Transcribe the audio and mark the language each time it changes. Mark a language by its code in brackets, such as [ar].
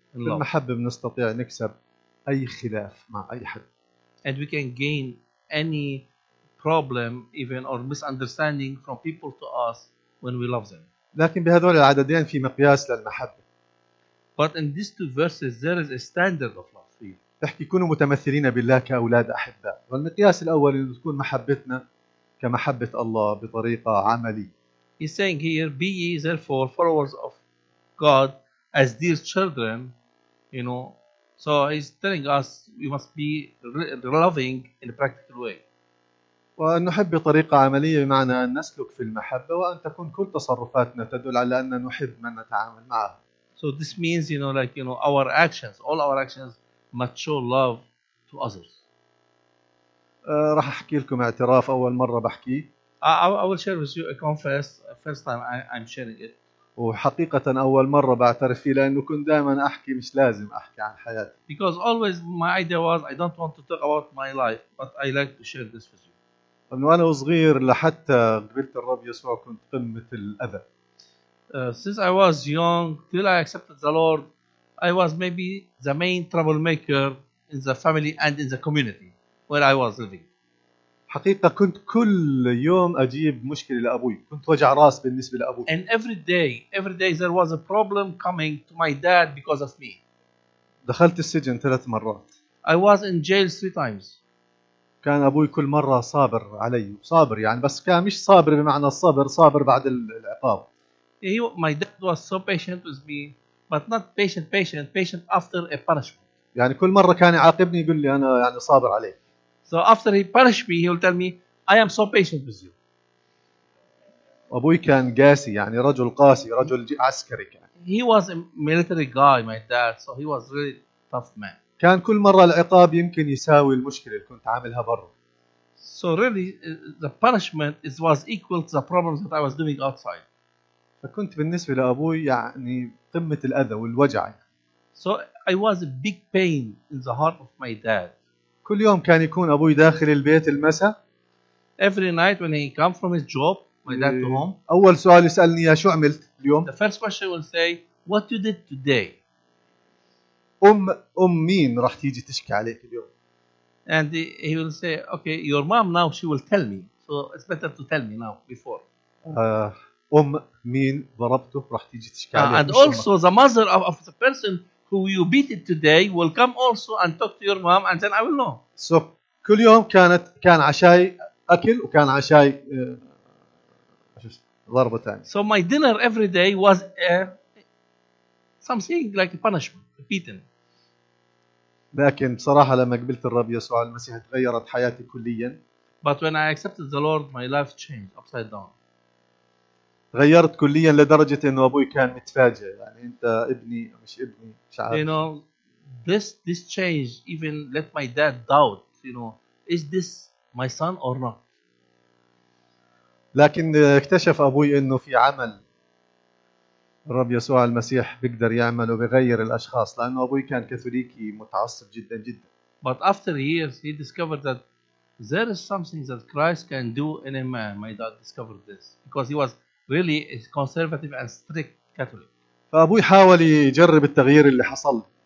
[ar] بالمحبة بنستطيع نكسب أي خلاف مع أي حد. [en] And we can gain any problem even or misunderstanding from people to us when we love them. [ar] لكن بهذول العددين في مقياس للمحبة. [en] But in these two verses there is a standard of love. [ar] تحكي كونوا متمثلين بالله كأولاد أحباء. والمقياس الأول إنه تكون محبتنا كمحبة الله بطريقة عملية. [en] He's saying here, be ye therefore followers of God as dear children, you know. So he's telling us we must be loving in a practical way. [ar] وأن نحب بطريقة عملية بمعنى أن نسلك في المحبة وأن تكون كل تصرفاتنا تدل على أن نحب من نتعامل معه. [en] So this means, you know, like, you know, our actions, all our actions must show love to others. [ar] راح احكي لكم اعتراف اول مره بحكي. [en] I will share with you a confess, first time I'm sharing it. [ar] وحقيقه اول مره بعترف فيه لانه كنت دائما احكي مش لازم احكي عن حياتي. [en] Because always my idea was I don't want to talk about my life, but I like to share this with you. [ar] لانه انا وصغير لحتى قبلت الرب يسوع كنت قمه الاذى. [en] Since I was young till I accepted the Lord, I was maybe the main troublemaker in the family and in the community where I was living. [ar] حقيقة كنت كل يوم أجيب مشكلة لأبوي. كنت وجع راس بالنسبة لأبوي. [en] And every day there was a problem coming to my dad because of me. [ar] دخلت السجن ثلاث مرات. [en] I was in jail three times. [ar] كان أبوي كل مرة صابر علي. صابر يعني بس كان مش صابر بمعنى الصبر. صابر بعد العقاب. [en] My dad was so patient with me. But not patient after a punishment. [ar] يعني كل مرة كان يعاقبني يقول لي أنا يعني صابر عليك. [en] So after he punished me, he will tell me, I am so patient with you. [ar] أبوي كان قاسي يعني رجل قاسي رجل عسكري كان. [en] He was a military guy, my dad, so he was really tough man. [ar] كان كل مرة العقاب يمكن يساوي المشكلة اللي كنت عاملها برا. [en] So really, the punishment is was equal to the problems that I was doing outside. [ar] فكنت بالنسبة لأبوي يعني قمة الأذى والوجع. [en] So I was a big pain in the heart of my dad. [ar] كل يوم كان يكون أبوي داخل البيت المساء. [en] Every night when he come from his job, my dad to home. [ar] أول سؤال يسألني يا شو عملت اليوم. [en] The first question will say, what you did today. [ar] أم مين راح تيجي تشكي عليك اليوم. [en] And he will say, okay, your mom now she will tell me. So it's better to tell me now before. [ar] أم مين ضربته راح تيجي تشكي عليك. [en] And also the mother of the person who you beat it today will come also and talk to your mom and then I will know. [ar] So كل يوم كان عشاي أكل وكان عشاي ضربة تانية. [en] So my dinner every day was something like a punishment, a beating. [ar] لكن صراحة لما قبلت الرب يسوع المسيح تغيرت حياتي كليا. [en] But when I accepted the Lord, my life changed upside down. [ar] تغيرت كليا لدرجة إنه أبوي كان متفاجئ يعني أنت ابني مش ابني شعار. [en] You know, this change even let my dad doubt. You know, is this my son or not? [ar] لكن اكتشف أبوي إنه في عمل الرب يسوع المسيح بيقدر يعمل وبيغير الأشخاص لأنه أبوي كان كاثوليكي متعصب جدا جدا. [en] But after years he discovered that there is something that Christ can do in a man. My dad discovered this because he was really a conservative and strict Catholic. [ar] فأبوي حاول يجرب التغيير اللي حصل.